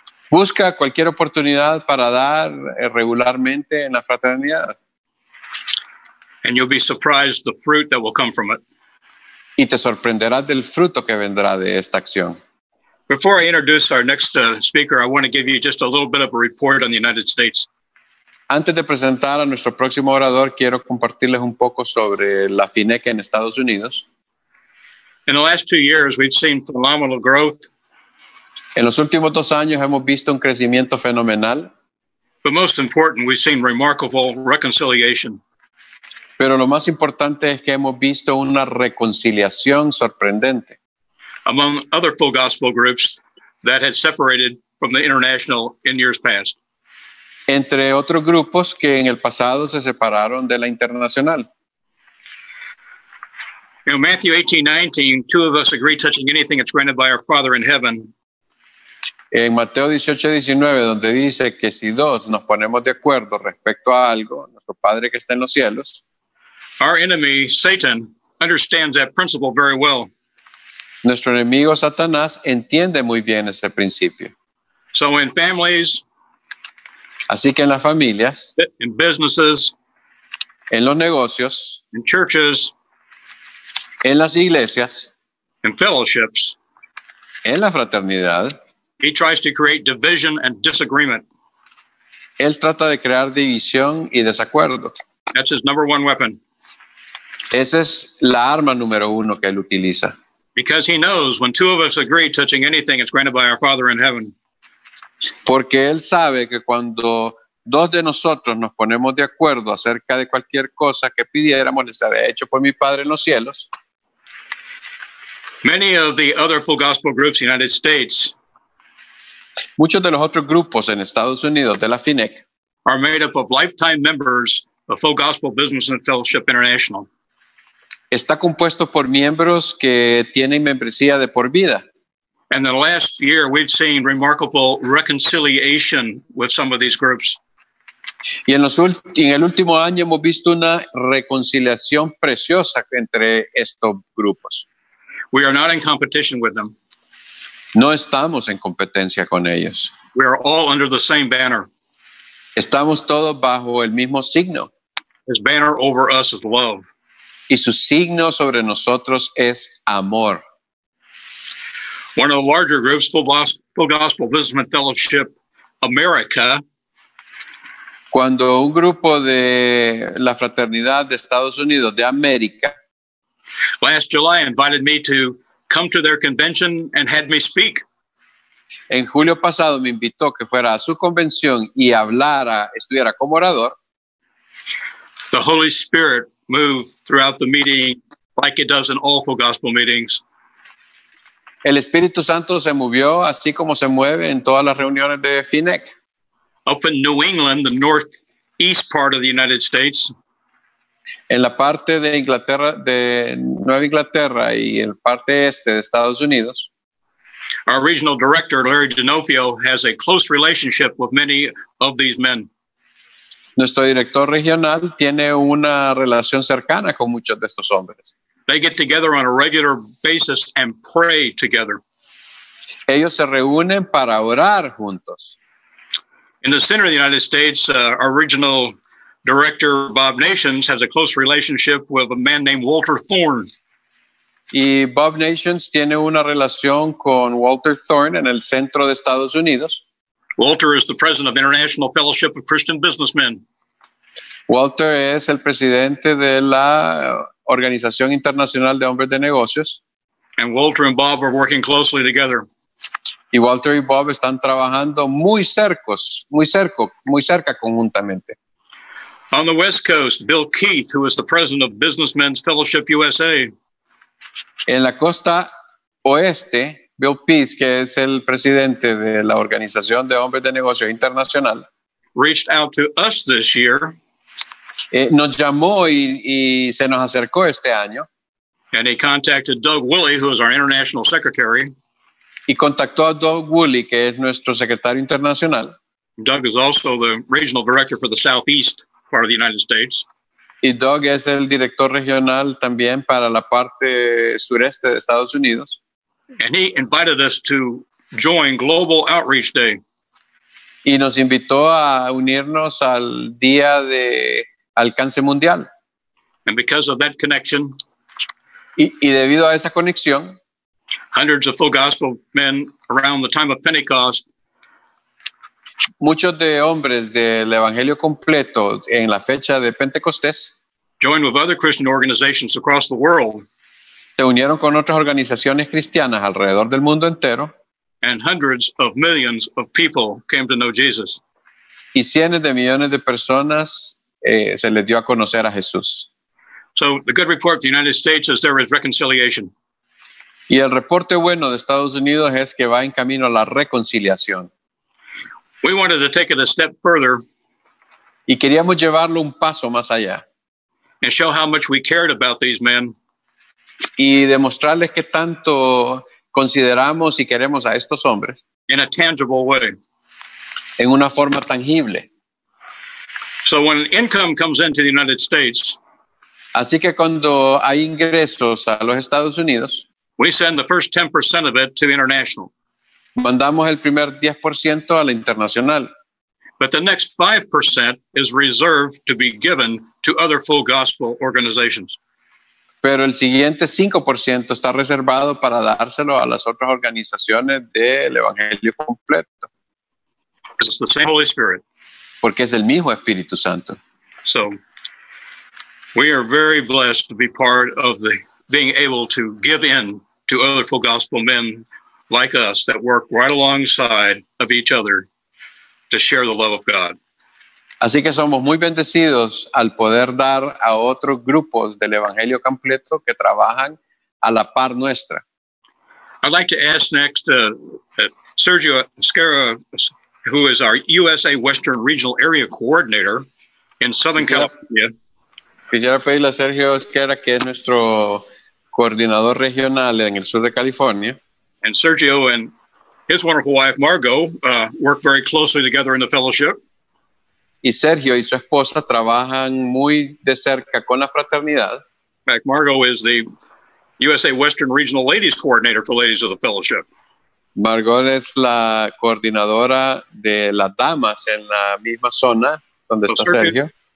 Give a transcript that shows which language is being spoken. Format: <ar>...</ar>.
<es>Busca cualquier oportunidad para dar regularmente en la fraternidad.</es> <en>And you'll be surprised the fruit that will come from it.</en> <es>Y te sorprenderás del fruto que vendrá de esta acción.</es> <en>Before I introduce our next speaker, I want to give you just a little bit of a report on the United States.</en> <es>Antes de presentar a nuestro próximo orador, quiero compartirles un poco sobre la FINEC en Estados Unidos.</es> <en>In the last 2 years, we've seen phenomenal growth.</en> <es>En los últimos 2 años hemos visto un crecimiento fenomenal.</es> <en>But most important, we've seen remarkable reconciliation.</en> <es>Pero lo más importante es que hemos visto una reconciliación sorprendente.</es> <en>Among other full gospel groups that had separated from the international in years past.</en> <es>Entre otros grupos que en el pasado se separaron de la internacional.</es> <en>In Matthew 18:19, two of us agree touching anything that's granted by our Father in heaven.</en> <es>En Mateo 18:19, donde dice que si dos nos ponemos de acuerdo respecto a algo, nuestro Padre que está en los cielos.</es> <en>Our enemy, Satan, understands that principle very well.</en> <es>Nuestro enemigo Satanás entiende muy bien ese principio.</es> <en>So in families,</en> <es>así que en las familias,</es> <en>in businesses,</en> <es>en los negocios,</es> <en>in churches,</en> <es>en las iglesias,</es> <en>in fellowships,</en> <es>en la fraternidad,</es> <en>he tries to create division and disagreement.</en> <es>Él trata de crear división y desacuerdo.</es> <en>That's his number one weapon.</en> <es>Esa es la arma número uno que él utiliza.</es> <en>Because he knows when two of us agree touching anything, it's granted by our Father in heaven.</en> <es>Porque él sabe que cuando dos de nosotros nos ponemos de acuerdo acerca de cualquier cosa que pidiéramos, le será hecho por mi Padre en los cielos.</es> <en>Many of the other full gospel groups in the United States.</en> <es>Muchos de los otros grupos en Estados Unidos de la FINEC</es> <en>are made up of lifetime members of Full Gospel Business and Fellowship International.</en> <es>Está compuesto por miembros que tienen membresía de por vida.</es> <en>And the last year we've seen remarkable reconciliation with some of these groups.</en> <es>Y en el último año hemos visto una reconciliación preciosa entre estos grupos.</es> <en>We are not in competition with them.</en> <es>No estamos en competencia con ellos.</es> <en>We are all under the same banner.</en> <es>Estamos todos bajo el mismo signo.</es> <en>His banner over us is love.</en> <es>Y su signo sobre nosotros es amor.</es> <en>One of the larger groups, Full Gospel Businessmen Fellowship America.</en> <es>Cuando un grupo de la fraternidad de Estados Unidos, de América.</es> <en>Last July invited me to come to their convention and had me speak.</en> <es>En julio pasado me invitó que fuera a su convención y hablara, estuviera como orador.</es> <en>The Holy Spirit move throughout the meeting like it does in all full gospel meetings.</en> <es>El Espíritu Santo se movió así como se mueve en todas las reuniones de FINEC.</es> <en>Up in New England, the northeast part of the United States.</en> <es>En la parte de Inglaterra, de Nueva Inglaterra y el parte este de Estados Unidos.</es> <en>Our regional director, Larry D'Onofrio, has a close relationship with many of these men.</en> <es>Nuestro director regional tiene una relación cercana con muchos de estos hombres.</es> <en>They get together on a regular basis and pray together.</en> <es>Ellos se reúnen para orar juntos.</es> <en>In the center of the United States, our regional director, Bob Nations, has a close relationship with a man named Walter Thorne.</en> <es>Y Bob Nations tiene una relación con Walter Thorne en el centro de Estados Unidos.</es> <en>Walter is the president of International Fellowship of Christian Businessmen.</en> <es>Walter es el presidente de la Organización Internacional de Hombres de Negocios.</es> <en>And Walter and Bob are working closely together.</en> <es>Y Walter y Bob están trabajando muy cerca conjuntamente.</es> <en>On the West Coast, Bill Keith, who is the president of Businessmen's Fellowship USA.</en> <es>En la costa oeste, Bill Peace, que es el presidente de la Organización de Hombres de Negocios Internacional,</es> <en>reached out to us this year.</en> <es>Nos llamó y se nos acercó este año.</es> <en>And he contacted Doug Woolley, who is our international secretary.</en> <es>Y contactó a Doug Woolley, que es nuestro secretario internacional.</es> <en>Doug is also the regional director for the Southeast part of the United States.</en> <es>Y Doug es el director regional también para la parte sureste de Estados Unidos.</es> <en>And he invited us to join Global Outreach Day.</en> <es>Y nos invitó a unirnos al Día de Alcance Mundial.</es> <en>And because of that connection,</en> <es>y debido a esa conexión,</es> <en>hundreds of full gospel men around the time of Pentecost.</en> <es>Muchos de hombres del evangelio completo en la fecha de Pentecostés.</es> <en>Joined with other Christian organizations across the world.</en> <es>Se unieron con otras organizaciones cristianas alrededor del mundo entero.</es> <en>And hundreds of millions of people came to know Jesus.</en> <es>Y cientos de millones de personas se les dio a conocer a Jesús.</es> <en>So the good report of the United States is there is reconciliation.</en> <es>Y el reporte bueno de Estados Unidos es que va en camino a la reconciliación.</es> <en>We wanted to take it a step further.</en> <es>Y queríamos llevarlo un paso más allá.</es> <en>And show how much we cared about these men.</en> <es>Y demostrarles que tanto consideramos y queremos a estos hombres.</es> <en>In a tangible way.</en> <es>En una forma tangible.</es> <en>So when income comes into the United States,</en> <es>así que cuando hay ingresos a los Estados Unidos,</es> <en>we send the first 10% of it to international.</en> <es>Mandamos el primer 10% a la internacional.</es> <en>But the next 5% is reserved to be given to other full gospel organizations.</en> <es>Pero el siguiente 5% está reservado para dárselo a las otras organizaciones del evangelio completo.</es> <en>It's the same Holy Spirit.</en> <es>Porque es el mismo Espíritu Santo.</es> <en>So, we are very blessed to be part of the being able to give in to other full gospel men like us that work right alongside of each other to share the love of God.</en> <es>Así que somos muy bendecidos al poder dar a otros grupos del evangelio completo que trabajan a la par nuestra.</es> <en>I'd like to ask next Sergio Esquerra, who is our USA Western Regional Area Coordinator in Southern California.</en> <es>Quisiera pedirle a Sergio Esquerra, que es nuestro coordinador regional en el sur de California.</es> <en>And Sergio and his wonderful wife, Margo, work very closely together in the fellowship.</en> <es>Y Sergio y su esposa trabajan muy de cerca con la fraternidad.</es> <en>Margo is the USA Western Regional Ladies Coordinator for Ladies of the Fellowship.</en> <es>Margo es la coordinadora de las damas en la misma zona donde está Sergio.</es>